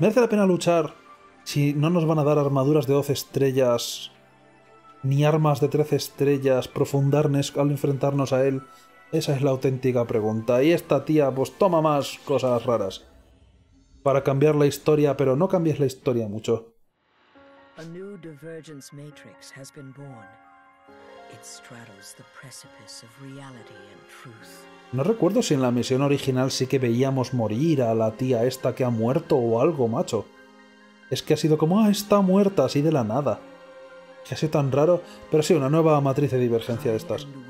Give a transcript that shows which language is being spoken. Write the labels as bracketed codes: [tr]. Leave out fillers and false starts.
[es] ¿Merece la pena luchar si no nos van a dar armaduras de 12 estrellas? ¿Ni armas de 13 estrellas? ¿Profundarnos al enfrentarnos a él? Esa es la auténtica pregunta. Y esta tía, pues toma más cosas raras. Para cambiar la historia, pero no cambies la historia mucho. [en] A new divergence matrix has been born. It straddles the precipice of reality and truth. [es] No recuerdo si en la misión original sí que veíamos morir a la tía esta que ha muerto o algo, macho. Es que ha sido como, está muerta, así de la nada. Que ha sido tan raro, pero sí, una nueva matriz de divergencia de estas.